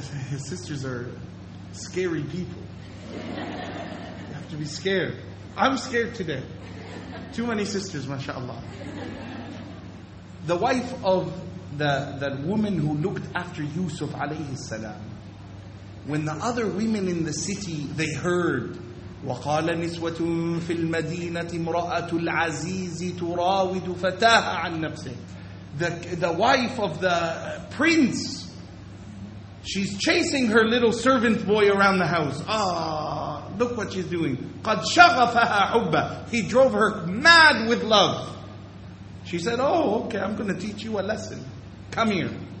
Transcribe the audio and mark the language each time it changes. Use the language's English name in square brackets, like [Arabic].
[English] His sisters are scary people. You have to be scared. I'm scared today. Too many sisters, mashallah. The wife of that woman who looked after Yusuf alayhi salam. When the other women in the city, they heard, [Arabic] وَقَالَ نِسْوَةٌ فِي الْمَدِينَةِ امْرَأَةُ الْعَزِيزِ تُرَاوِدُ فَتَاهَا عَنْ نَفْسِهِ. [English] The wife of the prince, she's chasing her little servant boy around the house. Ah, look what she's doing. [Arabic] قَدْ شَغَفَهَا حُبَّ. [English] He drove her mad with love. She said, oh, okay, I'm going to teach you a lesson. Come here.